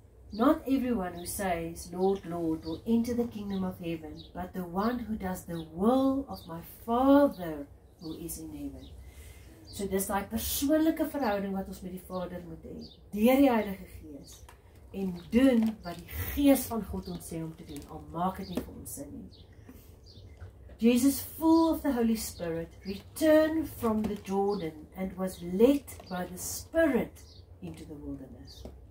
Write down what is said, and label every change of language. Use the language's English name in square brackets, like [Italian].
[English] Not everyone who says, Lord, Lord, will enter the kingdom of heaven, but the one who does the will of my Father who is in heaven. [Afrikaans] So dis daai persoonlike verhouding wat ons met die Vader moet hê, deur die Heilige Gees, en doen wat die Gees van God ons sê om te doen, al maak het nie vir ons sin nie. [English] Jesus, full of the Holy Spirit, returned from the Jordan and was led by the Spirit into the wilderness.